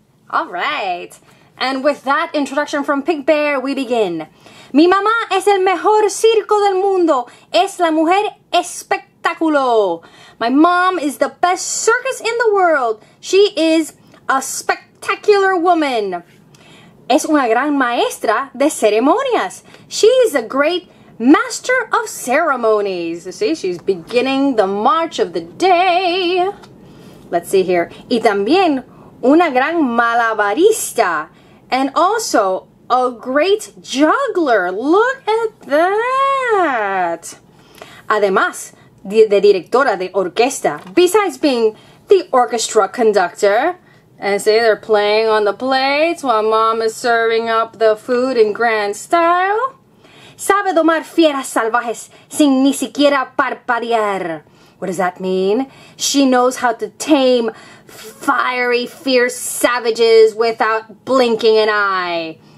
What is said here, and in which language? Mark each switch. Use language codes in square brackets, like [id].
[en] All right. And with that introduction from Pink Bear, we begin. [es] Mi mamá es el mejor circo del mundo. Es la mujer espectáculo. [en] My mom is the best circus in the world. She is a spectacular woman. [es] Es una gran maestra de ceremonias. [en] She is a great master of ceremonies. See, she's beginning the march of the day. Let's see here. [es] Y también una gran malabarista. [en] And also a great juggler. Look at that. [es] Además, the directora de orquesta. [en] Besides being the orchestra conductor. And say they're playing on the plates while mom is serving up the food in grand style. [es] Sabe domar fieras salvajes sin ni siquiera parpadear. [en] What does that mean? She knows how to tame fiery, fierce savages without blinking an eye.